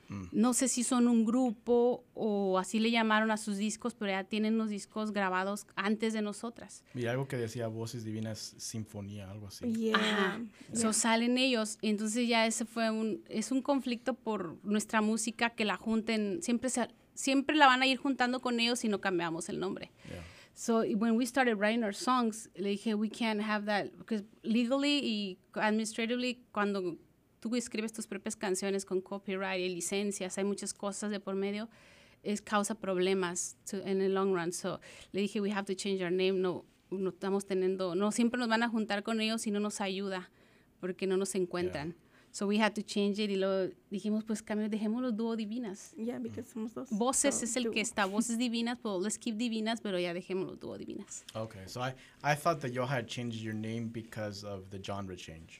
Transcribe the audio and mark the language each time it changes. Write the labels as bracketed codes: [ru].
[es] No sé si son un grupo o así le llamaron a sus discos, pero ya tienen los discos grabados antes de nosotras. Y algo que decía Voces Divinas Sinfonía, algo así. Yeah. Ajá. Yeah. So salen ellos. Entonces ya ese fue un conflicto por nuestra música, que la junten. Siempre la van a ir juntando con ellos si no cambiamos el nombre. Yeah. [en] So when we started writing our songs, [es] le dije, [en] we can't have that. Because legally [es] y administratively, cuando tú escribes tus propias canciones con copyright y licencias, hay muchas cosas de por medio, es causa problemas en el [en] long run. So [es] le dije, [en] we have to change our name. [es] No estamos teniendo, no siempre nos van a juntar con ellos si no nos ayuda, porque no nos encuentran. Yeah. [en] So we had to change it, [es] y luego dijimos, pues cambio, dejemos los Dúo Divinas. Yeah, porque somos dos. Voces es el que está, Voces Divinas, pues [en] let's keep [es] Divinas, pero ya dejemos los Dúo Divinas. [en] Okay, so I thought that you had changed your name because of the genre change.